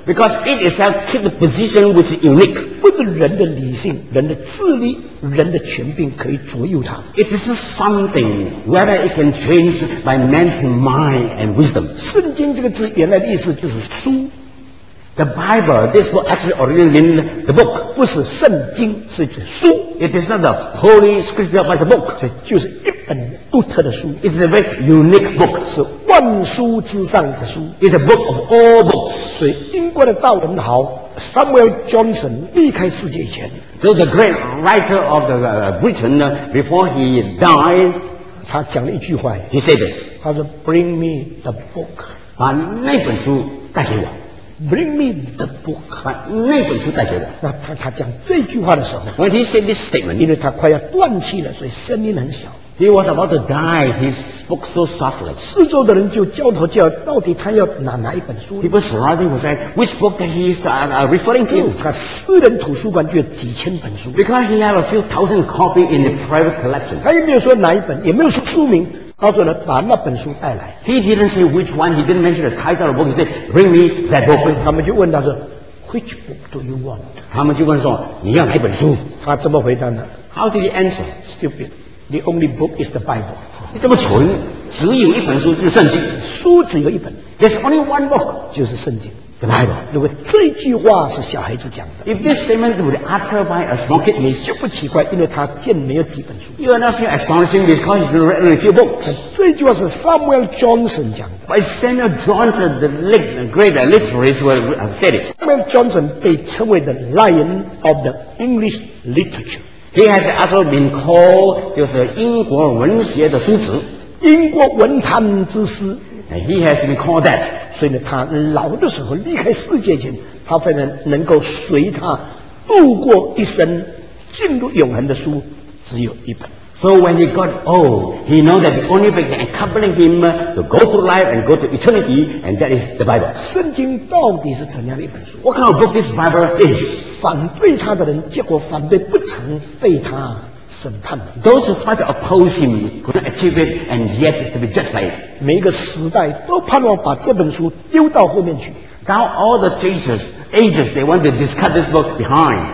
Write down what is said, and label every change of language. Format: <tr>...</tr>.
<en>Because it itself keeps the position which is unique.</en> <zh>不是人的理性、人的智力、人的权柄可以左右它。</zh> <en>It is something whether it can change by man's mind and wisdom.</en> <zh>圣经这个字原来的意思就是书。</zh> <en>The Bible, this book actually originally means the book.</en> <zh>不是圣经，是指书。</zh> <en>It is not the Holy Scripture, but the book.</en> <zh>所以就是一本独特的书。</zh> <en>It is a very unique book.</en> <zh>是万书之上的书。</zh> <en>It is a book of all books.</en> <zh>所以英国的赵文豪 Samuel Johnson 离开世界以前</zh> <en>So the great writer of the Britain, before he died,</en> <zh>他讲了一句话。</zh> <en>He said this.</en> <zh>他说</zh> <en>bring me the book.</en> <zh>把那本书带给我。</zh> <en>Bring me the book.</en> <zh>把那本书带给我。那他讲这句话的时候</zh> <en>，When he said this statement，</en> <zh>因为他快要断气了，所以声音很小。</zh> <en>He was about to die. He spoke so softly.</en> <zh>四周的人就交头接耳，到底他要拿哪一本书</zh> <en>？People surrounding were saying, "Which book that he is referring to?"</en> <zh>他私人图书馆就有几千本书。</zh> <en>Because he had a few thousand copies in the private collection.</en> <zh>他也没有说哪一本，也没有说书名。他说呢，把那本书带来。</zh> <en>He didn't say which one. He didn't mention the title of the book. He said, "Bring me that book."</en> <zh>他们就问他说 ，</zh> <en>Which book do you want?</en> <zh>他们就问说，你要哪本书？他怎么回答呢</zh> <en>？How did he answer? Stupid. The only book is the Bible.</en> <zh>你这么蠢，只有一本书就是圣经。书只有一本。</zh> <en>There's only one book.</en> <zh>就是圣经。</zh> <en>The Bible.</en> <zh>如果这句话是小孩子讲的</zh> <en>，If this statement was uttered by a small kid,</en> <zh>你就不奇怪，因为他见没有几本书。</zh> <en>You are not feel astonishing because he's read only a few books.</en> <zh>这句话是 Samuel Johnson 讲的</zh> <en>，By Samuel Johnson, the great literary was said. Samuel Johnson</en> <zh>被称为</zh> <en>the Lion of the English Literature. He has also been called</en> <zh>就是英国文学的狮子，英国文坛之狮。</zh> <en>And he has been called that.</en> <zh>所以呢，他老的时候离开世界前，他非常能够随他度过一生，进入永恒的书只有一本。</zh> <en>So when he got old, he knew that the only thing that accompanying him to go through life and go to eternity, and that is the Bible.</en> <zh>圣经到底是怎样的一本书</zh> <en>？What kind of book this Bible is?</en> <zh>反对他的人，结果反对不成，被他审判的。</zh> <en>Those who try to oppose him couldn't achieve it, and yet to be just like.</en> <zh>每一个时代都盼望把这本书丢到后面去。</zh> <en>Now all the teachers, ages, they want to discard this book behind.</en>